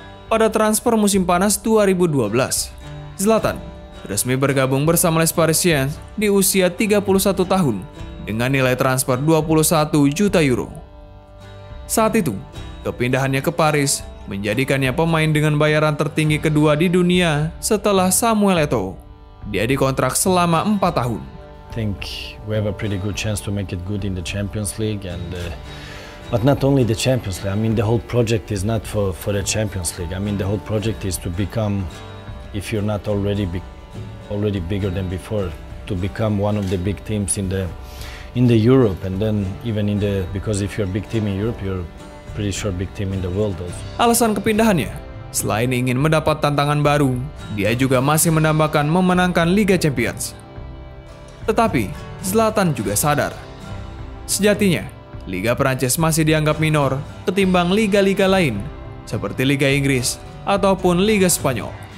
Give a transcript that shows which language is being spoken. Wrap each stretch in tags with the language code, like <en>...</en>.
<id>Pada transfer musim panas 2012, Zlatan resmi bergabung bersama Les Parisiens di usia 31 tahun dengan nilai transfer 21 juta euro. Saat itu, kepindahannya ke Paris menjadikannya pemain dengan bayaran tertinggi kedua di dunia setelah Samuel Eto'o. Dia dikontrak selama 4 tahun.</id> <en>I think we have a pretty good chance to make it good in the Champions League and but not only the Champions League. I mean, the whole project is not for the Champions League. I mean, the whole project is to become, if you're not already already bigger than before, to become one of the big teams in the Europe, and then even in the, because if you're a big team in Europe, you're pretty sure big team in the world also.</en> <id>Alasan kepindahannya, selain ingin mendapat tantangan baru, dia juga masih menambahkan memenangkan Liga Champions. Tetapi Zlatan juga sadar, sejatinya Liga Prancis masih dianggap minor ketimbang liga-liga lain seperti Liga Inggris ataupun Liga Spanyol.</id>